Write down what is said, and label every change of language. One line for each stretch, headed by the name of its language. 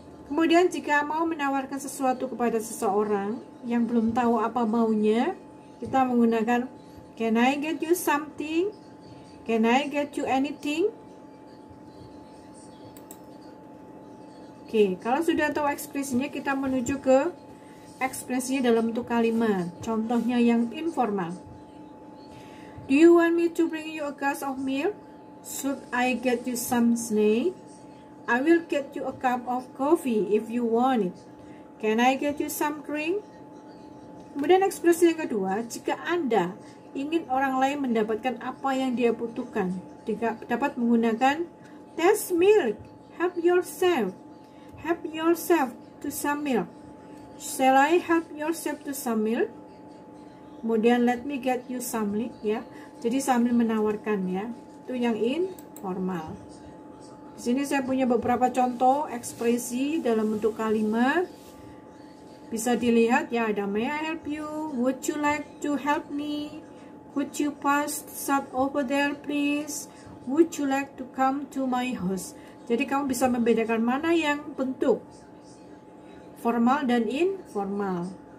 Indonesian: Kemudian jika mau menawarkan sesuatu kepada seseorang yang belum tahu apa maunya, kita menggunakan
English: can I get you something? Can I get you anything?
Indonesian: Oke, kalau sudah tahu ekspresinya, kita menuju ke ekspresinya dalam bentuk kalimat. Contohnya yang informal.
English: Do you want me to bring you a glass of milk? Should I get you some snack? I will get you a cup of coffee if you want it. Can I get you some drink?
Indonesian: Kemudian ekspresi yang kedua, jika Anda ingin orang lain mendapatkan apa yang dia butuhkan, dapat menggunakan test milk,
English: help yourself to some milk. Shall I help yourself to some milk?
Indonesian: Kemudian
English: let me get you some milk, ya.
Indonesian: Jadi sambil menawarkan, ya. Itu yang informal. Di sini saya punya beberapa contoh ekspresi dalam bentuk kalimat. Bisa dilihat, ya, ada
English: may I help you? Would you like to help me? Could you pass that over there, please? Would you like to come to my house?
Indonesian: Jadi kamu bisa membedakan mana yang bentuk formal dan informal.